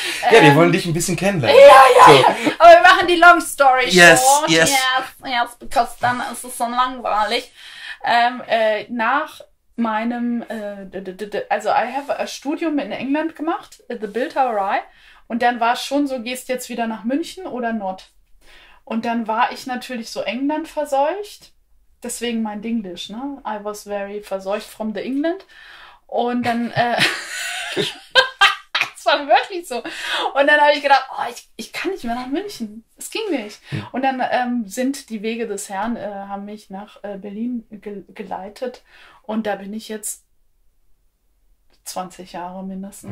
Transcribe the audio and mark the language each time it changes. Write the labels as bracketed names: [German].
[German] Ja, wir wollen dich ein bisschen kennenlernen. Ja. Aber wir machen die [English] long story short. Yes. Because [German] dann ist es so langweilig. Nach meinem... [English] also I have a [German] Studium [English] in England [German] gemacht. [English] The [German] Bildhauer [English] Eye. [German] Und dann war es schon so, gehst jetzt wieder nach München oder [English] not? [German] Und dann war ich natürlich so England verseucht. Deswegen mein Dinglish, ne? [English] I was very [German] verseucht [English] from the England. [German] Und dann, das war wirklich so. Und dann habe ich gedacht, oh, ich kann nicht mehr nach München. Es ging nicht. Und dann sind die Wege des Herrn, haben mich nach Berlin geleitet. Und da bin ich jetzt 20 Jahre mindestens.